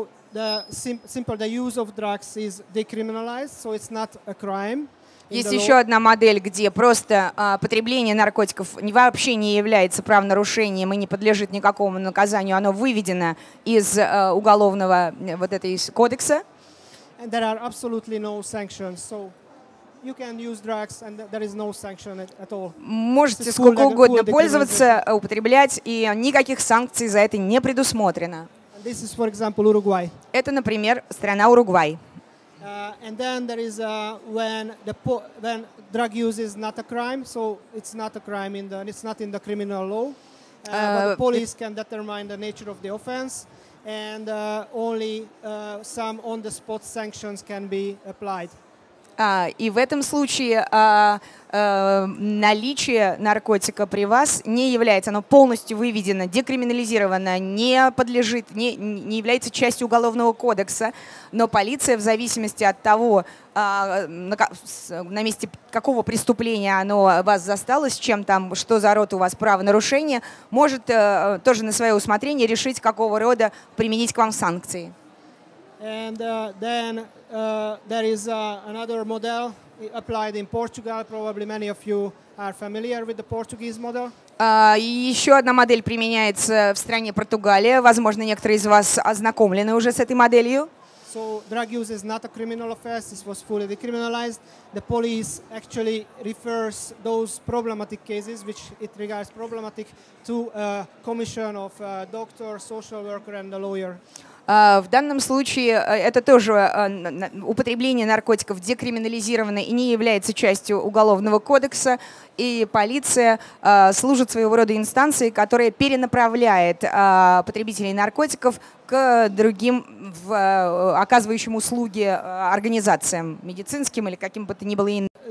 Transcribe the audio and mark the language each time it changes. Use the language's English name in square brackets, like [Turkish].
[English] The simple the use of drugs is decriminalized, so it's not a crime. [Russian] Есть еще одна модель, где просто потребление наркотиков вообще не является правонарушением и не подлежит никакому наказанию. Оно выведено из уголовного вот этой кодекса. [English] And there are absolutely no sanctions. So you can use drugs and there is no sanction at all. [Russian] Можете сколько угодно пользоваться, употреблять, и никаких санкций за это не предусмотрено. [English] This is, for example, Uruguay. [Russian] Это, например, страна Уругвай. [English] And then there is when drug use is not a crime, so it's not a crime it's not in the criminal law. But the police can determine the nature of the offense, and only some on-the-spot sanctions can be applied. [Russian] И в этом случае наличие наркотика при вас не является, оно полностью выведено, декриминализировано, не подлежит, не является частью уголовного кодекса, но полиция в зависимости от того, на месте какого преступления оно вас застало, с чем там, что за род у вас правонарушение, может тоже на свое усмотрение решить, какого рода применить к вам санкции. [English] And then there is another model applied in Portugal. Probably many of you are familiar with the Portuguese model. [Russian] Еще одна модель применяется в стране Португалия. Возможно, некоторые из вас ознакомлены уже с этой моделью. [English] So drug use is not a criminal offense. This was fully decriminalized. The police actually refers those problematic cases, which it regards problematic, to a commission of a doctor, social worker, and a lawyer. [Russian] В данном случае это тоже употребление наркотиков декриминализировано и не является частью Уголовного кодекса. И полиция служит своего рода инстанцией, которая перенаправляет потребителей наркотиков к другим, оказывающим услуги организациям, медицинским или каким бы то ни было иным.